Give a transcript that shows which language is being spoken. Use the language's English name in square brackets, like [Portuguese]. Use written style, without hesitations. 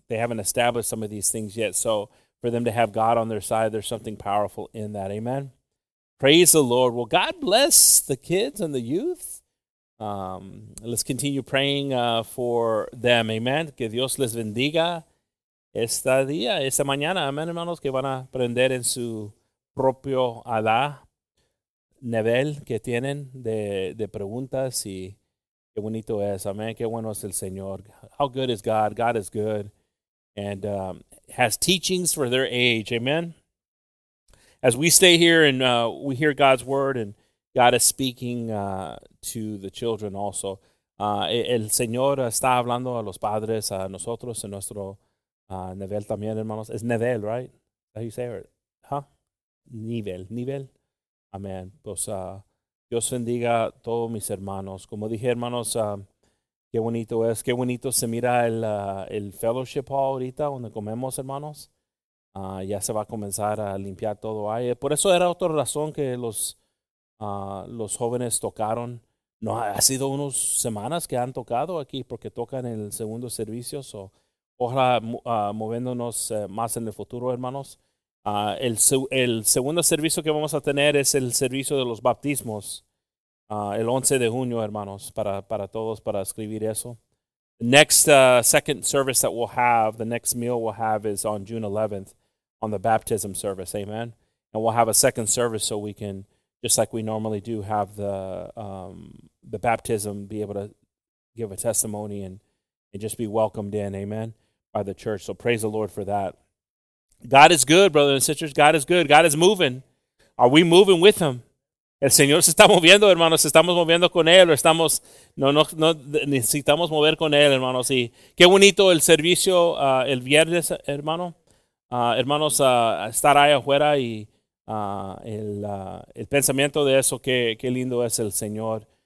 [English] They haven't established some of these things yet. So for them to have God on their side, there's something powerful in that. Amen? Praise the Lord. Well, God bless the kids and the youth. Let's continue praying for them. Amen? [Spanish] Que Dios les bendiga esta día, esta mañana. Amen, hermanos, que van a aprender en su propio alá. Nivel que tienen de preguntas y qué bonito es, amén, qué bueno es el Señor. [English] How good is God? God is good and has teachings for their age, amen. As we stay here and we hear God's word and God is speaking to the children also, [Spanish] el Señor está hablando a los padres, a nosotros, en nuestro nivel también, hermanos. Es nivel, [English] right? How do you say it? Huh? Nivel. Amén. [Spanish] Pues Dios bendiga a todos mis hermanos. Como dije, hermanos, qué bonito es. Qué bonito se mira el fellowship hall ahorita donde comemos, hermanos. Ya se va a comenzar a limpiar todo ahí. Por eso era otra razón que los jóvenes tocaron. No, ha sido unas semanas que han tocado aquí porque tocan el segundo servicio. So, ojalá moviéndonos más en el futuro, hermanos. El segundo servicio que vamos a tener es el servicio de los bautismos, el 11 de junio, hermanos, para todos, para escribir eso. [English] The next second service that we'll have, the next meal we'll have is on June 11th on the baptism service, amen? And we'll have a second service so we can, just like we normally do, have the baptism, be able to give a testimony and just be welcomed in, amen, by the church. So praise the Lord for that. God is good, brothers and sisters. God is good. God is moving. Are we moving with him? [Spanish] El Señor se está moviendo, hermanos. Estamos moviendo con él. Estamos, no necesitamos mover con él, hermanos. Y qué bonito el servicio el viernes, hermano. Hermanos, estar ahí afuera y el pensamiento de eso, qué lindo es el Señor